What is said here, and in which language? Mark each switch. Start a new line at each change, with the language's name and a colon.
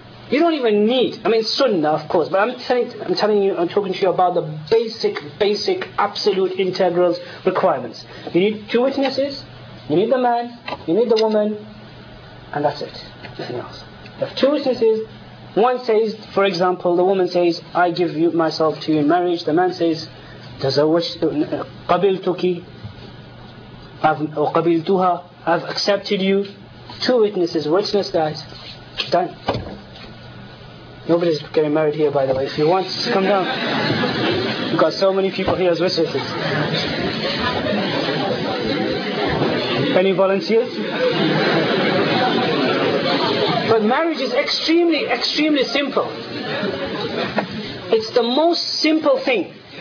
English: You don't even need, I mean sunnah of course, but I'm telling you, I'm talking to you about the basic, absolute integral requirements. You need two witnesses, you need the man, you need the woman, and that's it. Nothing else. You have two witnesses, one says, for example, the woman says, I give myself to you in marriage. The man says,
Arabic: تزوجت قبلتك أو قبلتها
English: I've accepted you. Two witnesses. Witness, guys. Done. Nobody's getting married here, by the way. If you want, just come down. We've got so many people here as witnesses. Any volunteers? But marriage is extremely, extremely simple. It's the most simple thing.